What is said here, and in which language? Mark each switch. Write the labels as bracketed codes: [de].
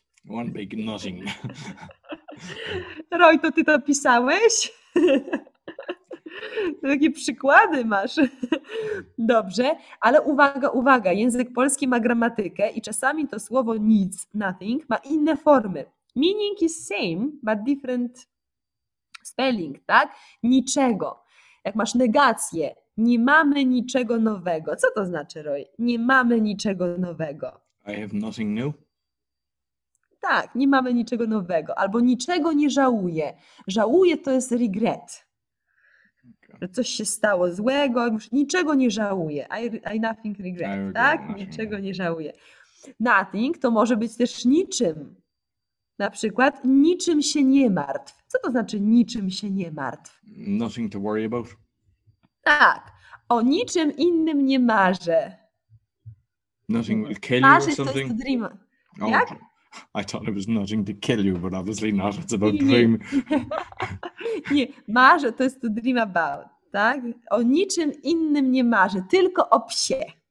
[en] One big nothing. [pl] Roy, to ty to pisałeś? Takie przykłady masz. Dobrze, ale uwaga. Język polski ma gramatykę i czasami to słowo nic, nothing, ma inne formy. [en] Meaning is same, but different spelling, [pl] tak? Niczego. Jak masz negację, nie mamy niczego nowego. Co to znaczy, Roy? Nie mamy niczego nowego. [en] I have nothing new. [pl] Tak, nie mamy niczego nowego. Albo niczego nie żałuję. Żałuję to jest regret. Że coś się stało złego. Niczego nie żałuję. [en] I nothing regret. [pl] Tak? Niczego nie żałuję. Nothing to może być też niczym. Na przykład niczym się nie martw. Co to znaczy niczym się nie martw? [en] Nothing to worry about. [pl] Tak. O niczym innym nie marzę. [en] Nothing will kill you or something? To dream. Oh. Jak? I thought it was nothing to kill you, but obviously not. It's about dream. [pl] Nie, marzę, to jest [en] to dream about, [pl] tak? O niczym innym nie marzę, tylko o psie.